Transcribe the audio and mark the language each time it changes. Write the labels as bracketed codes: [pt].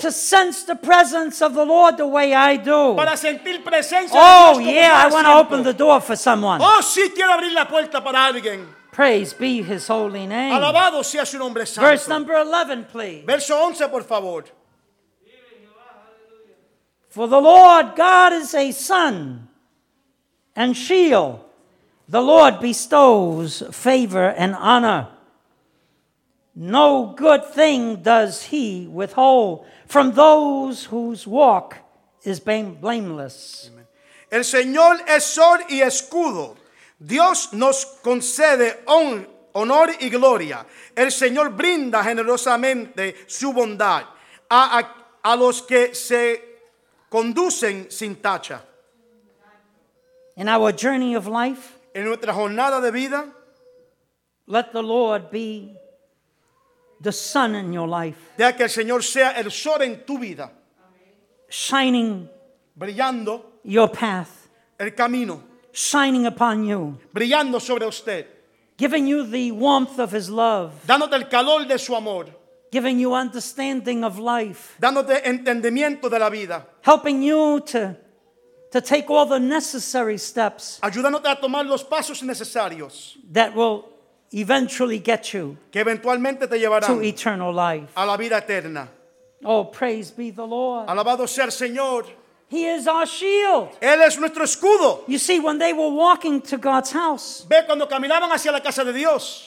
[en] To sense the presence of the Lord the way I do. [es] Para sentir presencia oh, de Dios yeah, como [en] I want to open the door for someone. [es] Oh, sí, quiero abrir la puerta para alguien. [en] Praise be his holy name. [es] Alabado sea su nombre santo. [en] Verse number 11, please. [es] Verso 11, por favor. [en] For the Lord God is a sun and shield. The Lord bestows favor and honor. No good thing does he withhold from those whose walk is blameless. Amen. [es] El Señor es sol y escudo. Dios nos concede honor y gloria. El Señor brinda generosamente su bondad a los que se conducen sin tacha. [en] In our journey of life, [es] En nuestra jornada de vida, [en] let the Lord be the sun in your life. [es] Deja que el Señor sea el sol en tu vida. [en] Shining, [es] brillando [en] your path, [es] el camino, [en] shining upon you, [es] brillando sobre usted, [en] giving you the warmth of his love, [es] dándote el calor de su amor, [en] giving you understanding of life, [es] dándote entendimiento de la vida, [en] helping you to take all the necessary steps [es] ayudándote a tomar los pasos necesarios [en] that will eventually get you [es] que eventualmente te llevarán [en] to eternal life. [es] A la vida eterna. [en] Oh, praise be the Lord. [es] Alabado sea el Señor. [en] He is our shield. [es] Él es nuestro escudo. [en] You see, when they were walking to God's house, [es] ve cuando caminaban hacia la casa de Dios,